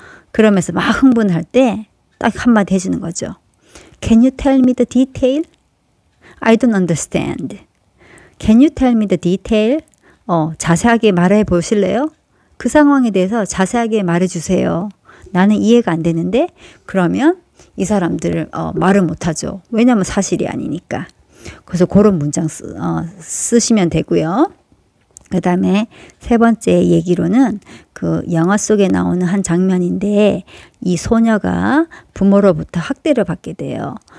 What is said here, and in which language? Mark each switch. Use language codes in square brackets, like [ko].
[ko] 그러면서 막 흥분할 때 딱 한마디 해주는 거죠. [en] Can you tell me the detail? I don't understand. Can you tell me the detail? [ko] 자세하게 말해 보실래요? 그 상황에 대해서 자세하게 말해 주세요. 나는 이해가 안 되는데? 그러면 이 사람들 말을 못하죠. 왜냐면 사실이 아니니까. 그래서 그런 문장 쓰시면 되고요. 그 다음에 세 번째 얘기로는 그 영화 속에 나오는 한 장면인데 이 소녀가 부모로부터 학대를 받게 돼요.